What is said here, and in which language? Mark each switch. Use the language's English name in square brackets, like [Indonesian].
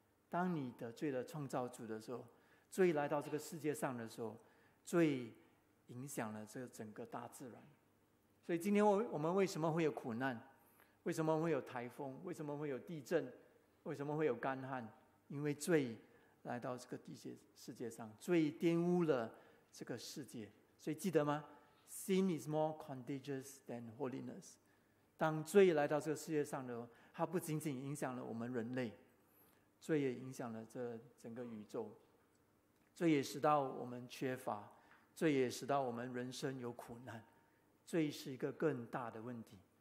[Chinese] 当你得罪了创造主的时候，罪来到这个世界上的时候，罪影响了这整个大自然。所以今天我们为什么会有苦难？为什么会有台风？为什么会有地震？为什么会有干旱？因为罪来到这个世界上，罪玷污了这个世界。所以记得吗？ [English] Sin is more contagious than holiness. [Chinese] 当罪来到这个世界上的时候，它不仅仅影响了我们人类，罪也影响了这整个宇宙，罪也使到我们缺乏，罪也使到我们人生有苦难，罪是一个更大的问题。